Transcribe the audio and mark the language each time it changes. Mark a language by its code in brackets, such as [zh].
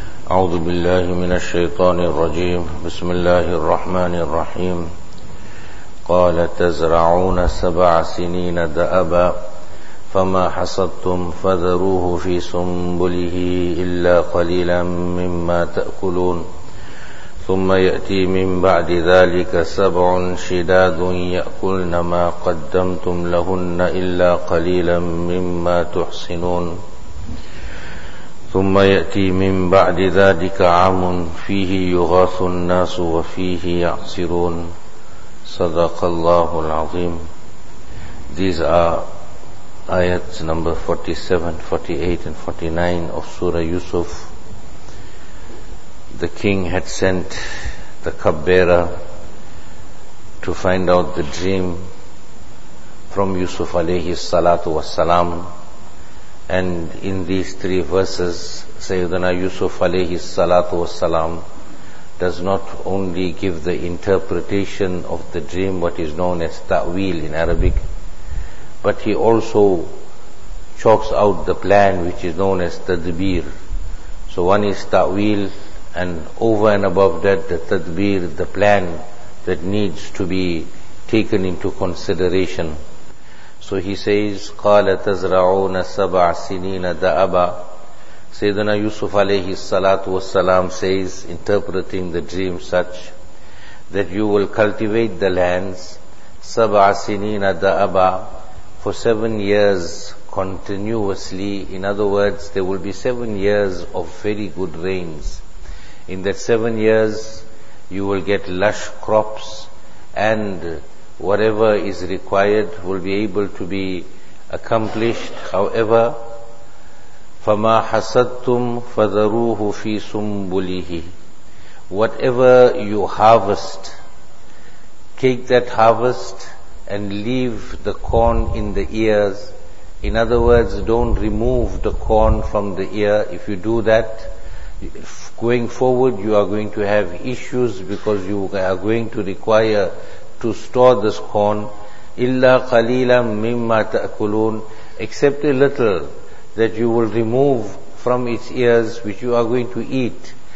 [ar] أعوذ بالله من الشيطان الرجيم بسم الله الرحمن الرحيم قال تزرعون سبع سنين دأبا فما حصدتم فذروه في سنبله إلا قليلا مما تأكلون ثم يأتي من بعد ذلك سبع شداد يأكلن ما قدمتم لهن إلا قليلا مما تحصنون ثم يأتي من بعد ذلك عام فيه يغاث الناس وفيه يعصرون صدق الله العظيم. [en] These are ayats number 47, 48 and 49 of Surah Yusuf. The king had sent the cupbearer to find out the dream from Yusuf alayhi salatu wassalam. And in these three verses, Sayyidina Yusuf alayhi salatu wassalam does not only give the interpretation of the dream, what is known as ta'wil in Arabic, but he also chalks out the plan, which is known as tadbir. So one is ta'wil, and over and above that, the tadbir, the plan that needs to be taken into consideration. So he says, [ar] قَالَ تَزْرَعُونَ سَبْعَ سِنِينَ دَأَبَى. [en] Sayyidina Yusuf alayhi salatu wassalam says, interpreting the dream such, that you will cultivate the lands, [ar] سَبْعَ سِنِينَ دَأَبَى, [en] for 7 years continuously. In other words, there will be 7 years of very good rains. In that 7 years, you will get lush crops, and whatever is required will be able to be accomplished. However, [ar] فَمَا حَسَدْتُمْ فَذَرُوهُ فِي سُمْبُلِهِ. [en] Whatever you harvest, take that harvest and leave the corn in the ears. In other words, don't remove the corn from the ear. If you do that, going forward you are going to have issues, because you are going to require to store this corn, [ar] illa qalilan mimma ta'kulun, [en] except a little that you will remove from its ears, which you are going to eat.